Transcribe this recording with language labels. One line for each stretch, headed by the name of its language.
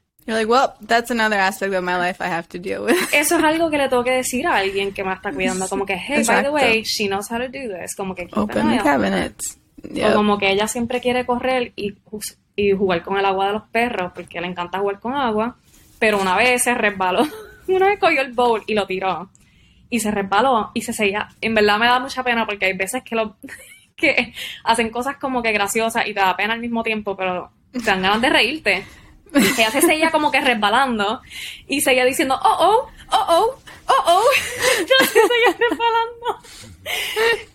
English: You're like, well, that's another aspect of my life I have to deal with.
Spanish: Eso es algo que le tengo que decir a alguien que me está cuidando. Como que,
English: hey,
Spanish: exacto,
English: by the way, she knows how to do this.
Spanish: Como que
English: open the cabinets. Yep.
Spanish: O como que ella siempre quiere correr y jugar con el agua de los perros, porque le encanta jugar con agua, pero una vez se resbaló, una vez cogió el bowl y lo tiró, y se resbaló, y se seguía, en verdad me da mucha pena, porque hay veces que hacen cosas como que graciosas, y te da pena al mismo tiempo, pero te dan ganas de reírte, y ella se seguía como que resbalando, y seguía diciendo, oh, oh, oh, oh, oh, oh, yo se seguía resbalando.